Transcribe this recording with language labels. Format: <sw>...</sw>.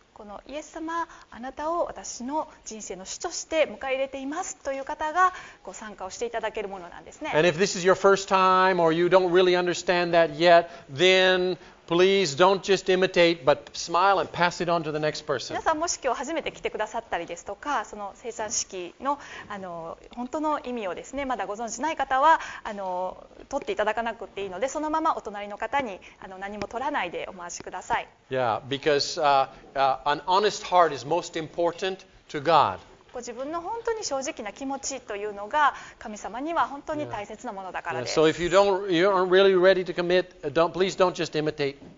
<ja>このイエス様、あなたを私の人生の主として迎え入れていますという方がご参加をしていただけるものなんですね。</ja> <en>And if this is your first time or you don't really understand that yet, then please don't just imitate, but smile and pass it on to the next person.</en> <ja>皆さんもし今日初めて来てくださったりですとか、その聖餐式の本当の意味をですね、まだご存じない方は取っていただかなくていいので、そのままお隣の方に何も取らないでお回しください。</ja> <en>Yeah, because an honest heart is most important to God.</en> <ja>ご自分の本当に正直な気持ちというのが神様には本当に大切なものだからです。</ja> <en>So if you aren't really ready to commit, please don't just imitate.</en>